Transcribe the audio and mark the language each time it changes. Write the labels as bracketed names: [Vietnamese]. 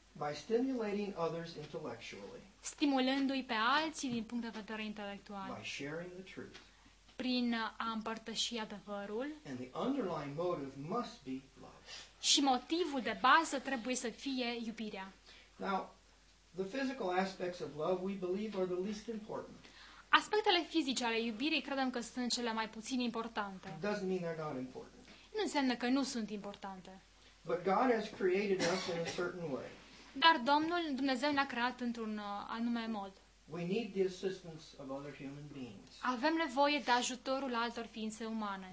[English] By stimulating others intellectually. [Romanian] Stimulându-i pe alții din punct de vedere intelectual. [English] By sharing the truth. [Romanian] Prin a împărtăși adevărul. [English] And the underlying motive must be love. [Romanian] Și motivul de bază trebuie să fie iubirea. [English] Now, the physical aspects of love we believe are the least important. [Romanian] Aspectele fizice ale iubirii credem că sunt cele mai puțin importante. [English] It doesn't mean they're not important. [Romanian] Nu înseamnă că nu sunt importante. [English] But God has created us in a certain way. [Romanian] Dar Domnul, Dumnezeu ne-a creat într-un anume mod. [English] We need the assistance of other human beings. [Romanian] Avem nevoie de ajutorul altor ființe umane.